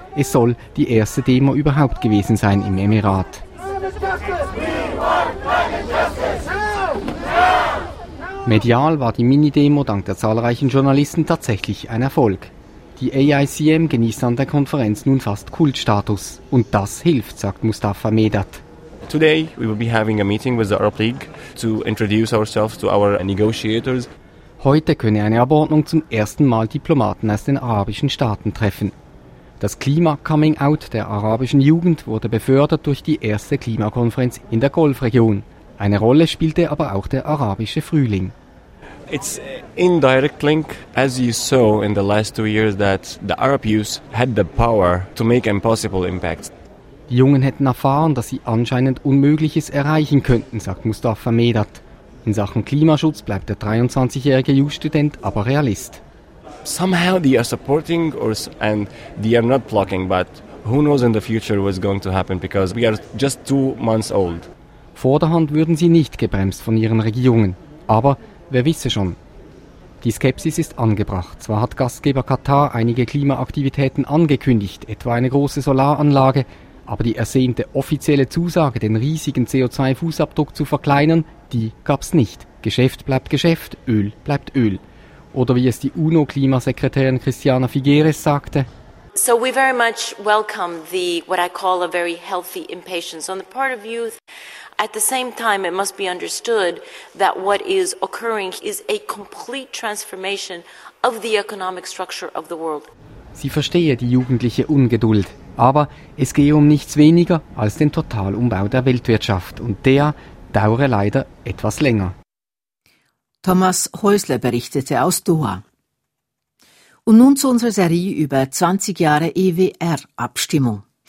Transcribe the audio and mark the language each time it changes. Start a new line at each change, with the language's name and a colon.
German: Es soll die erste Demo überhaupt gewesen sein im Emirat. Medial war die Mini-Demo dank der zahlreichen Journalisten tatsächlich ein Erfolg. Die AICM genießt an der Konferenz nun fast Kultstatus. Und das hilft, sagt Mustafa Medat.
English: Today we will be having a meeting with the Arab League to introduce ourselves to our negotiators.
German: Heute könne eine Abordnung zum ersten Mal Diplomaten aus den arabischen Staaten treffen. Das Klima-Coming-out der arabischen Jugend wurde befördert durch die erste Klimakonferenz in der Golfregion. Eine Rolle spielte aber auch der arabische Frühling.
English: It's indirect link, as you saw in the last 2 years, that the Arab youth had the power to make impossible impacts.
German: Die Jungen hätten erfahren, dass sie anscheinend Unmögliches erreichen könnten, sagt Mustafa Medat. In Sachen Klimaschutz bleibt der 23-jährige Jus-Student aber Realist.
English: Somehow they are supporting us and they are not blocking, but who knows in the future what's going to happen, because we are just 2 months old.
German: Vorderhand würden sie nicht gebremst von ihren Regierungen. Aber wer wisse schon. Die Skepsis ist angebracht. Zwar hat Gastgeber Katar einige Klimaaktivitäten angekündigt, etwa eine große Solaranlage, aber die ersehnte offizielle Zusage, den riesigen CO2-Fußabdruck zu verkleinern, die gab's nicht. Geschäft bleibt Geschäft, Öl bleibt Öl. Oder wie es die UNO-Klimasekretärin Christiana Figueres sagte.
English: So we very much welcome the what I call a very healthy impatience on the part of youth. At the same time, it must be understood that what is occurring is a complete transformation of the economic structure of the world.
German: Sie verstehe die jugendliche Ungeduld. Aber es gehe um nichts weniger als den Totalumbau der Weltwirtschaft. Und der dauere leider etwas länger. Thomas Häusler berichtete aus Doha. Und nun zu unserer Serie über 20 Jahre EWR-Abstimmung.